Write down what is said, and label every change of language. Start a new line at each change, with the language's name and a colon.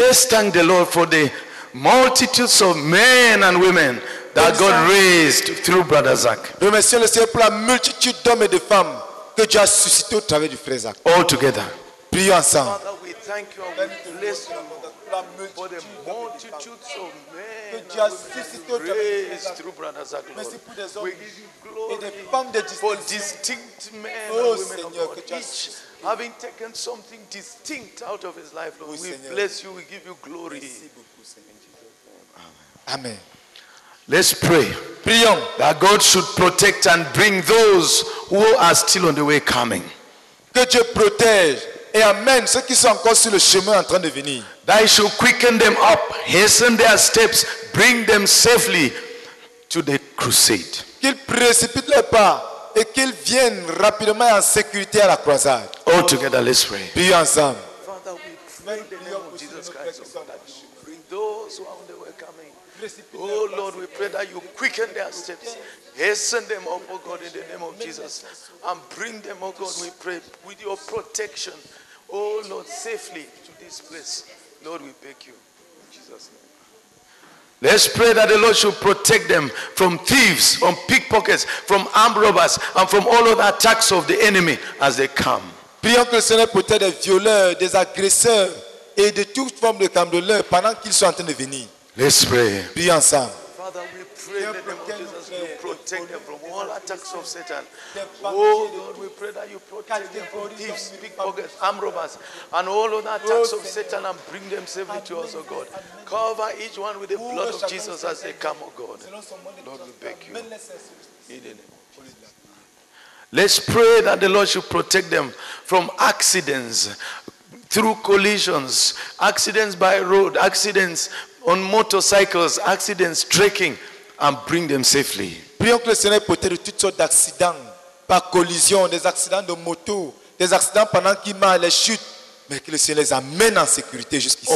English: Let's thank the Lord for the multitudes of men and women that
French: Donc,
English: God raised through Brother Zach.
French: Remercions le Seigneur pour la multitude d'hommes et de femmes que Dieu a suscité au travers du frère Zach.
English: All together.
French: Prions ensemble.
English: Father, we thank you and bless you. For the multitudes of men that you have raised through Brother Zach, Lord. We give you glory for distinct men and women of God. Each having taken something distinct out of his life, Lord. We bless you. We give you glory. Amen. Let's pray.
French: Prions.
English: That God should protect and bring those who are still on the way coming.
French: Que Dieu protège. Et amen, ceux qui sont encore sur le chemin en train de venir.
English: Thou shalt quicken them up, hasten their steps, bring them safely to the crusade.
French: Qu'ils précipitent leurs pas et qu'ils viennent rapidement en sécurité à la croisade.
English: All together, let's pray.
French: Prions ensemble.
English: Father, we pray in the name of Jesus Christ of God that you should bring those who are on the way coming. Oh Lord, we pray that you quicken their steps. Hasten them, O oh God, in the name of Jesus. And bring them, O oh God, we pray, with your protection, oh Lord, safely to this place. Lord, we beg you, in Jesus' name. Let's pray that the Lord should protect them from thieves, from pickpockets, from armed robbers, and from all other attacks of the enemy as they come.
French: Prions que le Seigneur protège des violeurs, des agresseurs, et de toutes formes de cambrioleurs pendant qu'ils sont en train de venir.
English: Let's pray.
French: Prions ensemble.
English: Father, we pray in the name of Jesus that you protect them from all attacks of Satan. Oh Lord, we pray that you protect them from thieves, pickpockets, armed robbers, and all other attacks of Satan and bring them safely to us, oh God. Cover each one with the blood of Jesus as they come, oh God. Lord, we beg you. In the name of Jesus. Let's pray that the Lord should protect them from accidents, through collisions, accidents by road, accidents on motorcycles, accidents, trekking, and bring them safely.
French: Prions que le Seigneur protège toutes sortes d'accidents, par collision, des accidents de moto, des accidents pendant qu'ils marchent, les chutes, mais que le Seigneur les amène en sécurité jusqu'ici.